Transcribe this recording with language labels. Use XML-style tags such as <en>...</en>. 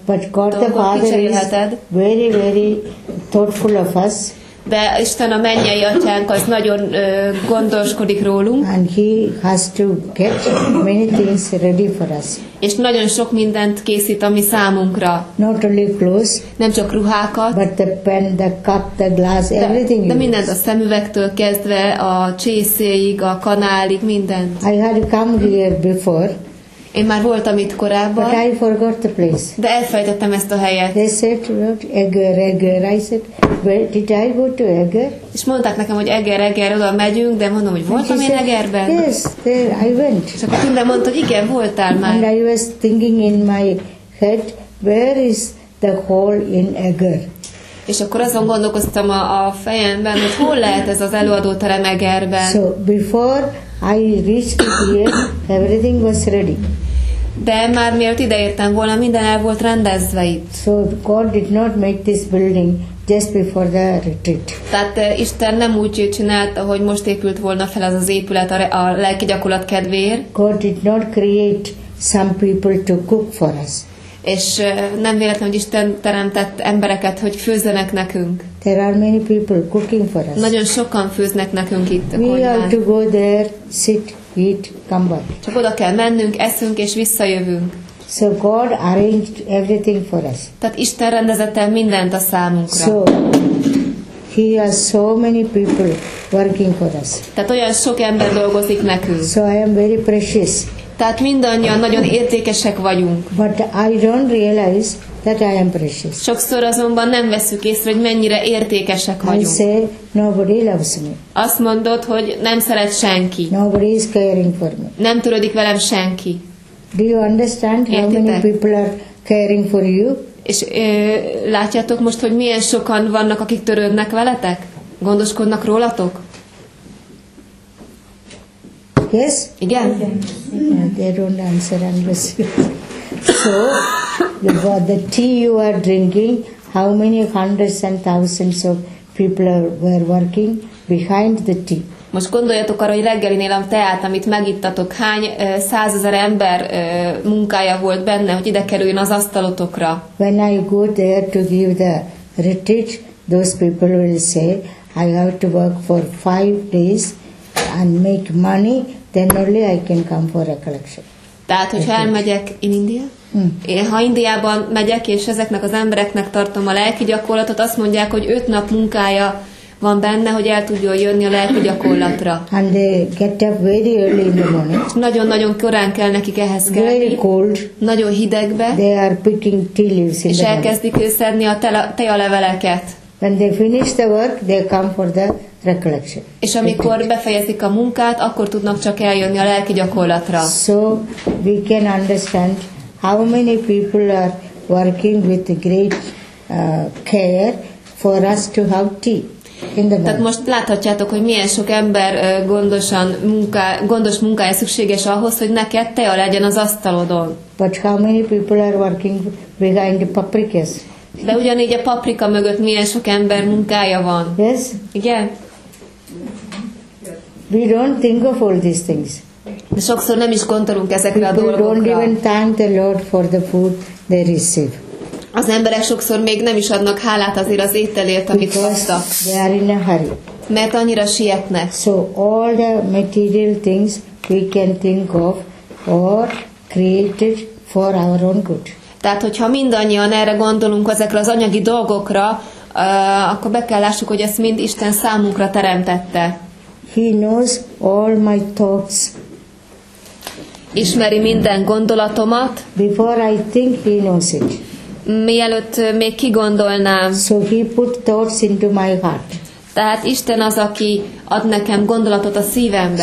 <en>But God the Father is very, very thoughtful of us.</en> <hu>De Isten a mennyei atyánk, az nagyon gondoskodik rólunk.</hu> <en>And he has to get many things ready for us.</en> <hu>És nagyon sok mindent készít a mi számunkra.</hu> <en>Not only clothes,</en> <hu>nem csak ruhákat,</hu> <en>but the pen, the cup, the glass, everything.</en> <hu>De mindent, a szemüvegtől kezdve a csészéig, a kanálig, mindent.</hu> <en>I had come here before.</en> <hu>Én már voltam itt korábban.</hu> <en>But I forgot the place.</en> <hu>De elfelejtettem ezt a helyet.</hu> <en>They said, look, Eger. I said, well, did I go to Eger?</en> <hu>És mondták nekem, hogy Eger, oda megyünk, de mondom, hogy voltam én Egerben.</hu> <en>Yes, there, I went.</en> <hu>És akkor minden mondta, hogy igen, voltál már.</hu> <en>And I was thinking in my head, where is the hall in Eger?</en> <hu>És akkor azon gondolkoztam a fejemben, hogy hol lehet ez az előadóterem Egerben.</hu> <en>So, before I reached here, everything was ready.</en> <hu>De már mielőtt ideértem volna, minden el volt rendezve itt.</hu> <en>So God did not make this building just before the retreat.</en> <hu>Tehát Isten nem úgy csinálta, hogy most épült volna fel az épület a lelki gyakorlat kedvéért.</hu> <en>God did not create some people to cook for us.</en> <hu>És nem véletlen, hogy Isten teremtett embereket, hogy főzzenek nekünk.</hu> <en>There are many people cooking for us.</en> <hu>Nagyon sokan főznek nekünk itt.</hu> <en>We have to go there, sit, eat, come back.</en> <hu>Csak oda kell mennünk, eszünk és visszajövünk.</hu> <en>So God arranged everything for us.</en> <hu>Tehát Isten rendezett el mindent a számunkra.</hu> <en>So he has so many people working for us.</en> <hu>Tehát olyan sok ember dolgozik nekünk.</hu> <en>So I am very precious.</en> <hu>Tehát mindannyian nagyon értékesek vagyunk.</hu> <en>But I don't realize that I am precious.</en> <hu>Sokszor azonban nem veszük észre, hogy mennyire értékesek vagyunk.</hu> <en>I say, nobody loves me.</en> <hu>Azt mondod, hogy nem szeret senki.</hu> <en>Nobody is caring for me.</en> <hu>Nem törődik velem senki.</hu> <en>Do you understand how many people are caring for you?</en> <hu>És látjátok most, hogy milyen sokan vannak, akik törődnek veletek? Gondoskodnak rólatok?</hu> <en>Yes?</en> <hu>Igen?</hu> <en>Yeah, they don't answer unless you... So, the tea you are drinking, how many hundreds and thousands of people were working behind the tea?</en> <hu>Most gondoljatok arra, hogy reggelinél a teát, amit megittatok, hány százezer ember munkája volt benne, hogy ide kerüljön az asztalotokra?</hu> <en>When I go there to give the retreat, those people will say, I have to work for 5 days and make money, then only I can come for a collection.</en> <hu>Tehát, hogyha elmegyek</hu> <en>in India,</en> <hu>ha Indiában megyek, és ezeknek az embereknek tartom a lelki gyakorlatot, azt mondják, hogy 5 nap munkája van benne, hogy el tudjon jönni a lelki gyakorlatra.</hu> <en>And they get up very early in the morning.</en> <hu>Nagyon-nagyon korán kell nekik ehhez kelni.</hu> <en>Very cold.</en> <hu>Nagyon hidegbe.</hu> <en>They are picking tea leaves in the morning.</en> <hu>És elkezdik szedni a tea leveleket.</hu> <en>When they finish the work, they come for the recollection.</en> <hu>És amikor befejezik a munkát, akkor tudnak csak eljönni a lelki gyakorlatra.</hu> <en>So we can understand how many people are working with great care for us to have tea.</en> <hu>Tehát most láthatjátok, hogy milyen sok ember gondos munkája szükséges ahhoz, hogy neked tea legyen az asztalodon.</hu> <en>But how many people are working behind the paprikas?</en> <hu>De ugyanígy a paprika mögött milyen sok ember munkája van.</hu> <en>Yes?</en> <hu>Igen?</hu> <en>We don't think of all these things.</en> <hu>De sokszor nem is gondolunk ezekre</hu> <en>people</en> <hu>a dolgokra.</hu> <en>People don't even thank the Lord for the food they receive.</en> <hu>Az emberek sokszor még nem is adnak hálát azért az ételért, amit kaptak.</hu> <en>They are in a hurry.</en> <hu>Mert annyira sietnek.</hu> <en>So all the material things we can think of or created for our own good.</en> <hu>Tehát, hogyha mindannyian erre gondolunk ezekre az anyagi dolgokra, akkor be kell lássuk, hogy ezt mind Isten számunkra teremtette.</hu> <en>He knows all my thoughts.</en> <hu>Ismeri minden gondolatomat.</hu> <en>Before I think, he knows it.</en> <hu>Mielőtt még kigondolnám.</hu> <en>So he put thoughts into my heart.</en> <hu>Tehát Isten az, aki ad nekem gondolatot a szívembe.</hu>